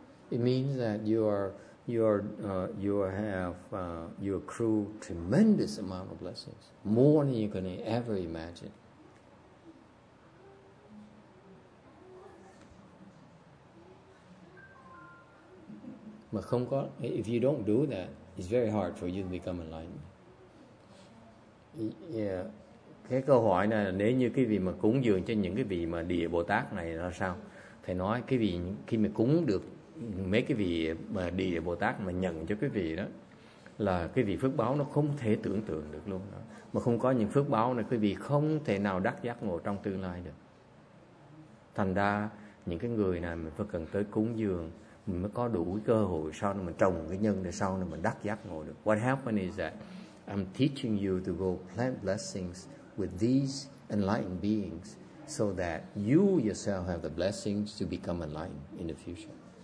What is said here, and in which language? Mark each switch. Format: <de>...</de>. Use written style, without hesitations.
<en>It means that you accrue tremendous amount of blessings, more than you can ever imagine.</en> <vi>Mà không có,</vi> <en>if you don't do that, it's very hard for you to become enlightened.</en> <vi>Yeah, cái câu hỏi này là nếu như cái vị mà cúng dường cho những cái vị mà địa Bồ Tát này là sao? Thầy nói cái vị khi mà cúng được mấy cái vị mà địa Bồ Tát mà nhận cho cái vị đó là cái vị phước báo nó không thể tưởng tượng được luôn đó. Mà không có những phước báo này, cái vị không thể nào đắc giác ngộ trong tương lai được. Thành ra những cái người này mình phải cần tới cúng dường, mình mới có đủ cơ hội sau này mình trồng cái nhân để sau này mình đắc giác ngộ được.</vi> <en>What happened is that I'm teaching you to go plant blessings with these enlightened beings so that you yourself have the blessings to become enlightened in the future.</en>